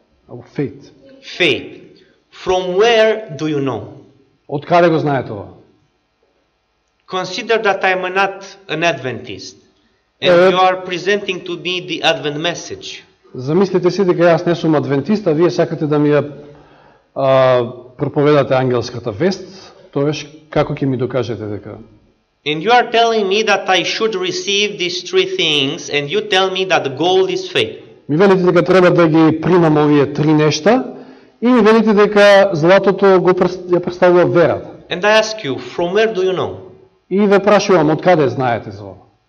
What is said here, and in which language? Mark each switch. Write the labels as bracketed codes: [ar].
[en] Our faith. Faith. From where do you know? [mk] Од каде го знае тоа? [en] Consider that I am not an Adventist. And you are presenting to me the Advent message. [mk] Замислете си дека јас не сум адвентист, а вие сакате да ми ја проповедате ангелската вест. Тоеш, како ќе ми докажете дека... [en] And you are telling me that I should receive these three things, and you tell me that gold is faith. [mk] Ми велите дека треба да ги примам овие три нешта, и ми велите дека златото го ја представува верата. [en] And I ask you, from where do you know? [mk] И ве прашувам, од каде знаете за ова?